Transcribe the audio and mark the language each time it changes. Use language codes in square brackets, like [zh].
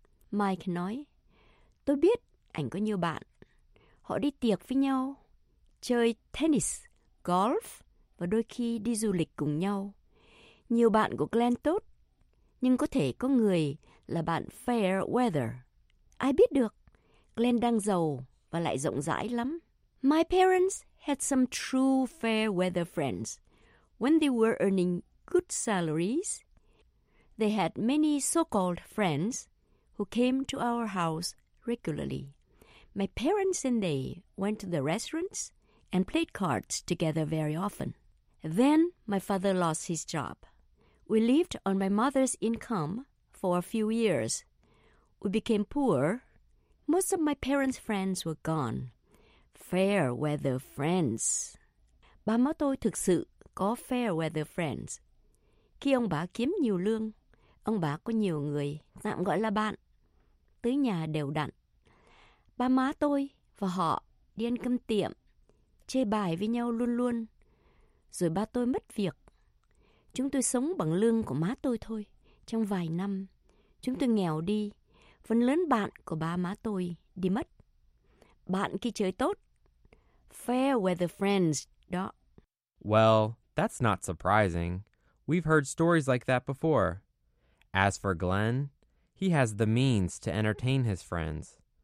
[vi] Mike nói, tôi biết anh có nhiều bạn. Họ đi tiệc với nhau, chơi tennis, golf và đôi khi đi du lịch cùng nhau. Nhiều bạn của Glenn tốt, nhưng có thể có người là bạn fair weather. Ai biết được, Glenn đang giàu và lại rộng rãi lắm. [en] My parents had some true fair weather friends. When they were earning good salaries, they had many so-called friends who came to our house regularly. My parents and they went to the restaurants and played cards together very often. Then my father lost his job. We lived on my mother's income for a few years. We became poor. Most of my parents' friends were gone. [vi] Fair weather friends. Ba má tôi thực sự có fair weather friends. Khi ông bà kiếm nhiều lương, ông bà có nhiều người, tạm gọi là bạn, tới nhà đều đặn. Ba má tôi và họ đi ăn cơm tiệm, chơi bài với nhau luôn luôn. Rồi ba tôi mất việc. Chúng tôi sống bằng lương của má tôi thôi. Trong vài năm, chúng tôi nghèo đi. Phần lớn bạn của ba má tôi đi mất. Bạn khi chơi tốt. Fair weather friends, đó. [en] Well, that's not surprising. We've heard stories like that before. As for Glenn, He has the means to entertain his friends.